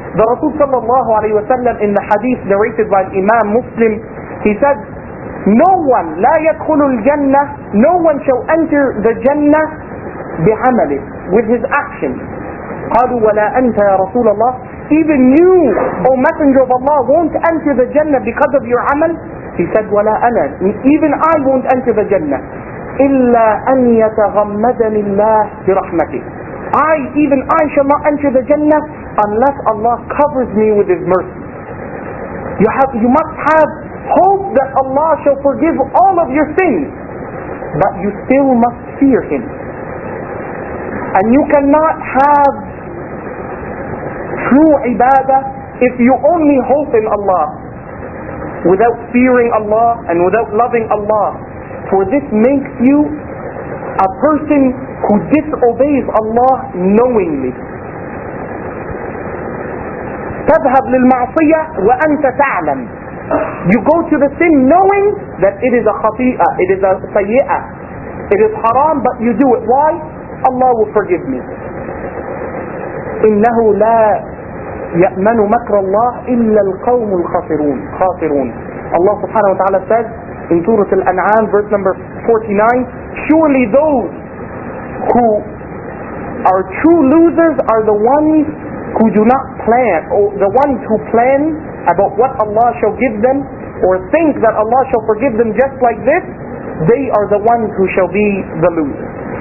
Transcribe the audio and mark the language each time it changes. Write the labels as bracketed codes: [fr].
[en] The Rasul sallallahu alayhi wa sallam, in the hadith narrated by Imam Muslim, he said, no one, [ar] لا يدخل الجنة, [en] no one shall enter the Jannah [ar] بعمله, [en] with his actions. [ar] قالوا ولا أنت يا رسول الله, [en] even you, O Messenger of Allah, won't enter the Jannah because of your amal. He said, [ar] ولا أنا, [en] even I won't enter the Jannah. [ar] إلا أن يتغمدني الله برحمته. [en] I shall not enter the Jannah unless Allah covers me with His mercy. You must have hope that Allah shall forgive all of your sins, but you still must fear Him. And you cannot have true ibadah if you only hope in Allah without fearing Allah and without loving Allah. For this makes you a person who disobeys Allah knowingly. [ar] تذهب للمعصية وأنت تعلم. [en] You go to the sin knowing that it is a خطيئة, it is a سيئة, it is haram, but you do it. Why? Allah will forgive me. [ar] إنه لا يأمن مكر الله إلا القوم الخاسرون. خاسرون. [en] Allah subhanahu wa ta'ala says in Surah Al-An'am, verse number 49, surely those who are true losers are the ones who do not plan, or the ones who plan about what Allah shall give them, or think that Allah shall forgive them just like this, they are the ones who shall be the losers.